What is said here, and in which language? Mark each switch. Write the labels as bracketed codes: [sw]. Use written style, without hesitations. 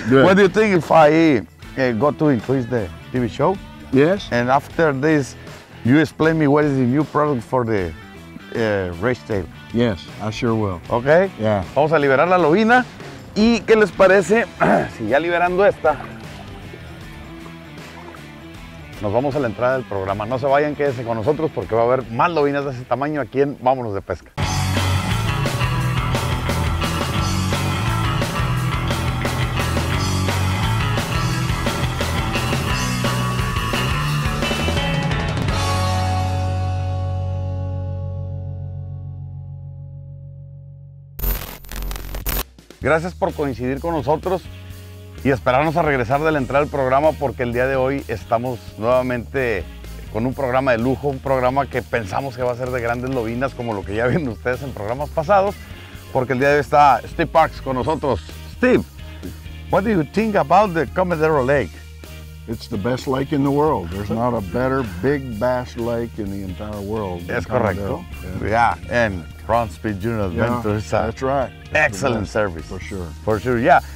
[en] What do you think if I go to increase the TV show? Yes. And after this, you explain me what is the new product for the race tape. Yes, I sure will. Okay. Yeah. [es] Vamos a liberar la lobina. ¿Y qué les parece si ya liberando esta, nos vamos a la entrada del programa? No se vayan, quédense con nosotros porque va a haber más lobinas de ese tamaño aquí en Vámonos de Pesca. Gracias por coincidir con nosotros y esperarnos a regresar de la entrada al programa, porque el día de hoy estamos nuevamente con un programa de lujo, un programa que pensamos que va a ser de grandes lobinas, como lo que ya ven ustedes en programas pasados, porque el día de hoy está Steve Parks con nosotros. [en] Steve, what do you think about the Comedero Lake? It's the best lake in the world. There's not a better big bass lake in the entire world. [es] Es correcto. [en] Yeah. And Ron Speed Junior Adventures. That's right. Excellent service. For sure. For sure, yeah.